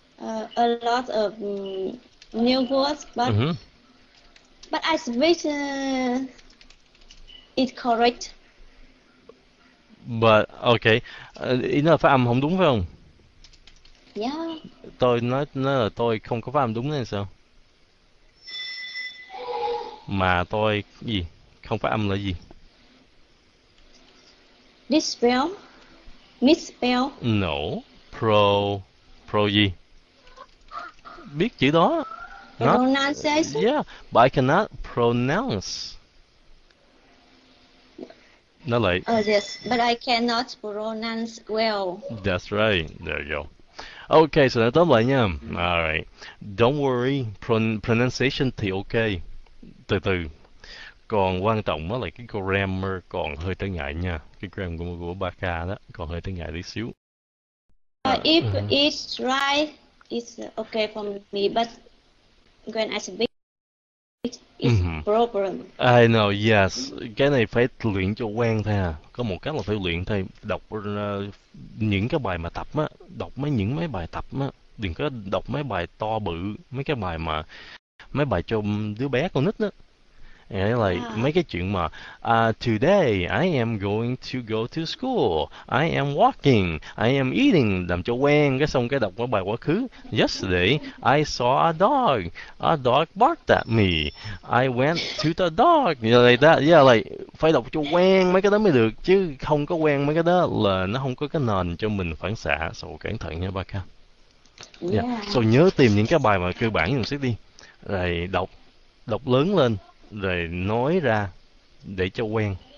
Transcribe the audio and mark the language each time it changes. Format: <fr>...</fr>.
<en>A lot of new words, but but I speak it correct. But okay,</en> <vi>ý nó là phát âm không đúng phải không?</vi> <en>Yeah.</en> <vi>Tôi nói nó là tôi không có phát âm đúng nên sao? Mà tôi gì? Không phát âm là gì?</vi> <en>Misspell? Misspell? No.</en> <vi>Pro gì? Biết chữ đó.</vi> <en>Pronounce? Yeah, but I cannot pronounce. Not like. Oh, yes, but I cannot pronounce well. That's right. There you go. Okay, so that's all right. All right. Don't worry. Pronunciation</en> <vi>thì okay. Từ từ. Còn quan trọng đó là cái grammar còn hơi trở ngại nha. Cái grammar của ba ca đó còn hơi trở ngại tí xíu.</vi> <en>If it's right, it's okay for me, but when I speak, it's problem. I know, yes.</en> <vi>Cái này phải luyện cho quen thôi à. Có một cách là phải luyện thôi. Đọc những cái bài mà tập á, đọc mấy những mấy bài tập á. Đừng có đọc mấy bài to bự, mấy cái bài mà, mấy bài cho đứa bé con nít đó.</vi> <en>And like</en> <vi>mấy cái chuyện mà</vi> <en>today I am going to go to school, I am walking, I am eating,</en> <vi>làm cho quen cái xong cái đọc cái bài quá khứ.</vi> <en>Yesterday I saw a dog barked at me, I went to the dog, you know, like that. Yeah, like</en> <vi>phải đọc cho quen mấy cái đó mới được, chứ không có quen mấy cái đó là nó không có cái nền cho mình phản xạ. So cẩn thận nha ba ca.</vi> <en>Yeah.</en> <vi>So nhớ tìm những cái bài mà cơ bản dùng sức đi, rồi đọc lớn lên, rồi nói ra để cho quen.</vi>